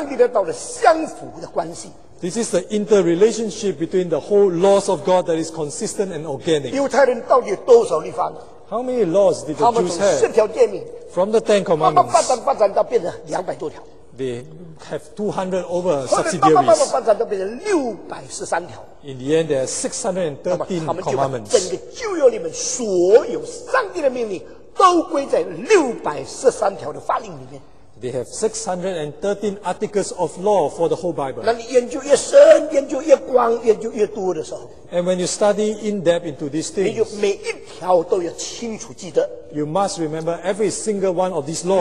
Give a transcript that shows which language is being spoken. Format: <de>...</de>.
<zh>这个上帝的道的完整性,这个上帝的道的有机性,这个上帝的道的相符的关系。</zh> <en>This is the interrelationship between the whole laws of God that is consistent and organic.</en> <zh>犹太人到底有多少律法呢?</zh> <en>How many laws did the Jews have?</en> <zh>他们从10条诫命,</zh> <en>From the Ten Commandments,</en> <zh>慢慢发展到变成200多条。</zh> <en>They have 200 over subsidiaries.</en> <zh>慢慢发展到变成613条。</zh> <en>In the end, there are 613 commandments.</en> <zh>整个旧约里面所有上帝的命令都归在613条的法令里面。</zh> <en>They have 613 articles of law for the whole Bible.</en> <zh>那你研究越深，研究越广，研究越多的时候，</zh> <en>And when you study in depth into these things,</en> <zh>你就每一条都要清楚记得。</zh> <en>You must remember every single one of these laws.</en>